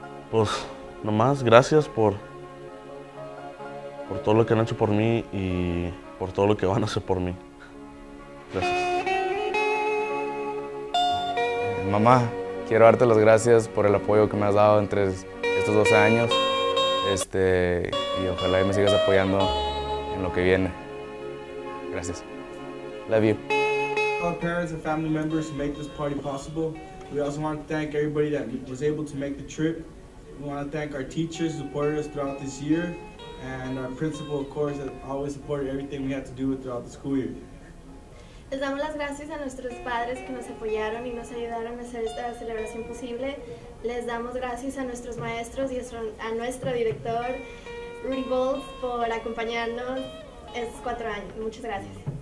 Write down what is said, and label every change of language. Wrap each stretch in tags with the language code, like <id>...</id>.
<es>pues... Nomás, gracias por todo lo que han hecho por mí y por todo lo que van a hacer por mí. Gracias. Mamá, quiero darte las gracias por el apoyo que me has dado entre estos 12 años. Y ojalá y me sigas apoyando en lo que viene. Gracias.</es> <en>Love you. Our parents and family members make this party possible. We also want to thank everybody that was able to make the trip. We want to thank our teachers who supported us throughout this year, and our principal, of course, that always supported everything we had to do throughout the school year.</en> <es>Les damos las gracias a nuestros padres que nos apoyaron y nos ayudaron a hacer esta celebración posible. Les damos gracias a nuestros maestros y a nuestro director, Rudy Bolt, por acompañarnos estos 4 años. Muchas gracias.</es>